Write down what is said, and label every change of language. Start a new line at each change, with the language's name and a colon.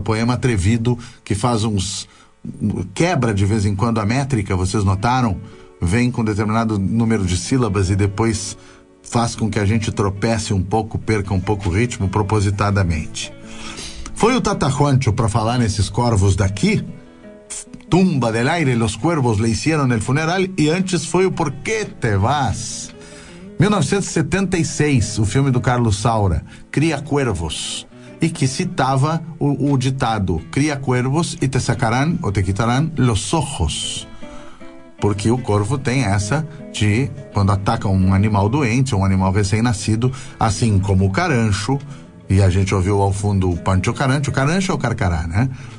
Portuguese: Poema atrevido, que faz uns... quebra de vez em quando a métrica, vocês notaram? Vem com determinado número de sílabas e depois faz com que a gente tropece um pouco, perca um pouco o ritmo propositadamente. Foi o Tata Juancho para falar nesses corvos daqui?
Spanish: Tumba del aire, los cuervos le hicieron el funeral.
Portuguese: E antes foi o Porquê te vas? 1976, o filme do Carlos Saura, Cria Cuervos, e que citava o ditado:
Spanish: Cria cuervos y te sacarán o te quitarán los ojos.
Portuguese: Porque o corvo tem essa de, quando ataca um animal doente, um animal recém-nascido, assim como o carancho, e a gente ouviu ao fundo o Pancho Carancho, o carancho é o carcará, né?